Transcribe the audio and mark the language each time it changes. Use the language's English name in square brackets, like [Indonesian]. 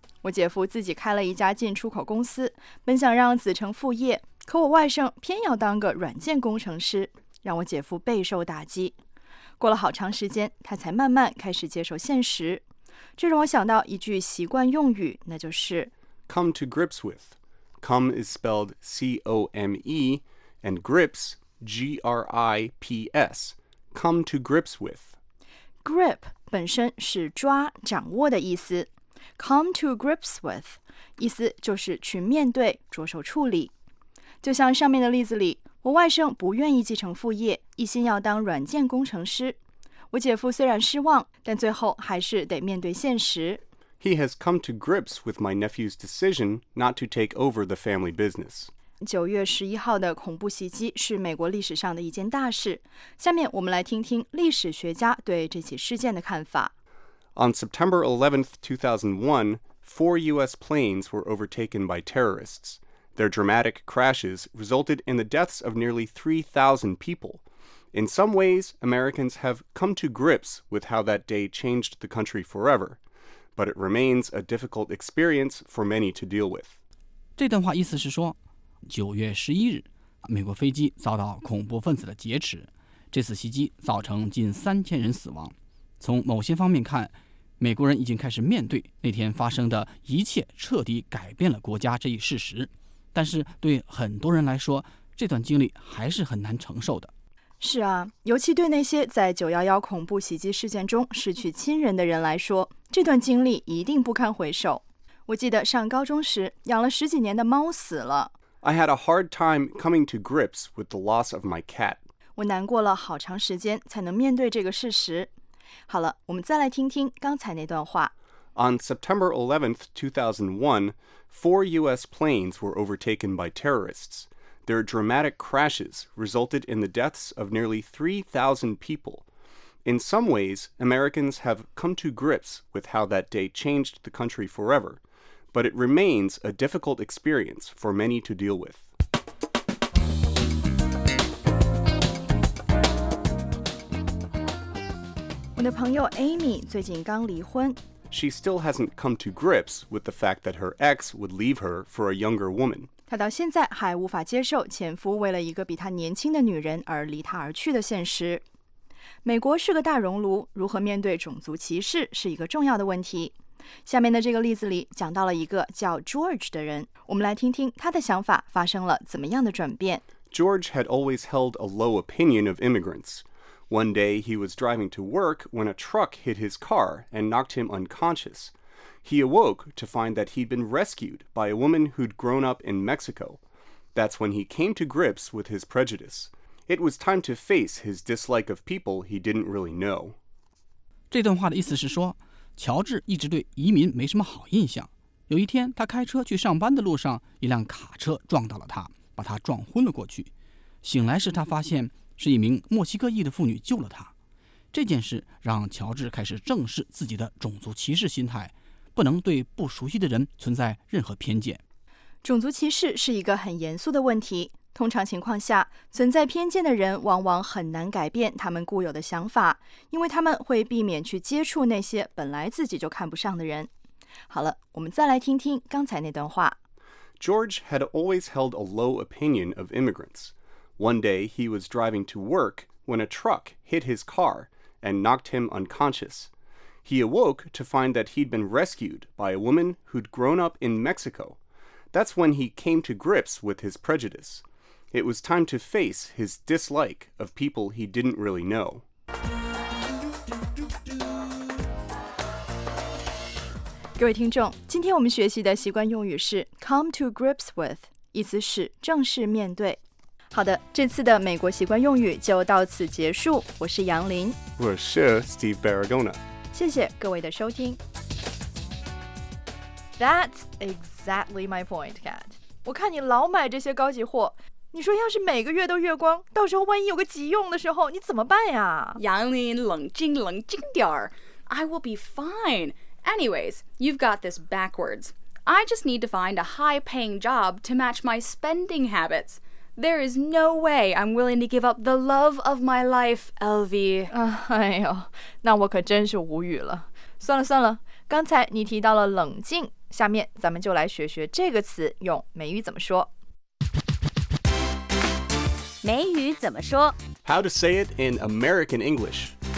[Chinese] 我姐夫自己开了一家进出口公司，本想让子承父业，可我外甥偏要当个软件工程师，让我姐夫备受打击。过了好长时间，他才慢慢开始接受现实。这让我想到一句习惯用语，那就是 [English] Come to grips withCome is spelled C-O-M-E, and grips, G-R-I-P-S, come to grips with. [Chinese] Grip 本身是抓、掌握的意思。 [English] Come to grips with, [Chinese] 意思就是去面对、着手处理。就像上面的例子里，我外甥不愿意继承父业，一心要当软件工程师。我姐夫虽然失望，但最后还是得面对现实。 [English] He has come to grips with my nephew's decision not to take over the family business. [Chinese] 9月11号的恐怖袭击是美国历史上的一件大事。下面我们来听听历史学家对这起事件的看法。 [English] On September 11th, 2001, four U.S. planes were overtaken by terrorists. Their dramatic crashes resulted in the deaths of nearly 3,000 people. In some ways, Americans have come to grips with how that day changed the country forever. But it remains a difficult experience for many to deal with. [Chinese] 这段话意思是说，九月十一日，美国飞机遭到恐怖分子的劫持，这次袭击造成近3000人死亡。从某些方面看，美国人已经开始面对那天发生的一切，彻底改变了国家这一事实。但是对很多人来说，这段经历还是很难承受的。是啊，尤其对那些在911恐怖袭击事件中失去亲人的人来说，这段经历一定不堪回首。我记得上高中时，养了十几年的猫死了。 [English] I had a hard time coming to grips with the loss of my cat. [Chinese] 我难过了好长时间才能面对这个事实。好了，我们再来听听刚才那段话。 [English] On September 11th, 2001, four U.S. planes were overtaken by terrorists. Their dramatic crashes resulted in the deaths of nearly 3,000 people. In some ways, Americans have come to grips with how that day changed the country forever, but it remains a difficult experience for many to deal with. [Chinese] 我的朋友 Amy 最近刚离婚。 [English] She still hasn't come to grips with the fact that her ex would leave her for a younger woman. [Chinese] 她到现在还无法接受前夫为了一个比她年轻的女人而离她而去的现实。美国是个大熔炉，如何面对种族歧视是一个重要的问题。下面的这个例子里讲到了一个叫 George 的人，我们来听听他的想法发生了怎么样的转变。 [English] George had always held a low opinion of immigrants. One day, he was driving to work when a truck hit his car and knocked him unconscious. He awoke to find that he'd been rescued by a woman who'd grown up in Mexico. That's when he came to grips with his prejudice. It was time to face his dislike of people he didn't really know. [Chinese] 这段话的意思是说，乔治一直对移民没什么好印象。有一天，他开车去上班的路上，一辆卡车撞到了他，把他撞昏了过去。醒来时，他发现是一名墨西哥裔的妇女救了他。这件事让乔治开始正视自己的种族歧视心态，不能对不熟悉的人存在任何偏见。种族歧视是一个很严肃的问题，通常情况下，存在偏见的人往往很难改变他们固有的想法，因为他们会避免去接触那些本来自己就看不上的人。好了，我们再来听听刚才那段话。 George had always held a low opinion of immigrants. One day, he was driving to work when a truck hit his car and knocked him unconscious. He awoke to find that he'd been rescued by a woman who'd grown up in Mexico. That's when he came to grips with his prejudice. It was time to face his dislike of people he didn't really know. 各位听众，今天我们学习的习惯用语是 [English] come to grips with, [Chinese] 意思是正式面对。好的，这次的美国习惯用语就到此结束。我是杨林，我是 Steve Barragona。谢谢各位的收听。 [English] That's exactly my point, Kat. [Chinese] 我看你老买这些高级货，你说要是每个月都月光，到时候万一有个急用的时候，你怎么办呀？ [English] 杨林， [Chinese] 冷静冷静点儿。 [English] I will be fine. Anyways, you've got this backwards. I just need to find a high-paying job to match my spending habits. There is no way I'm willing to give up the love of my life, LV. [Chinese] 哎呦，那我可真是无语了。算了算了，刚才你提到了冷静，下面咱们就来学学这个词用美语怎么说。美语怎么说？ [English] How to say it in American English.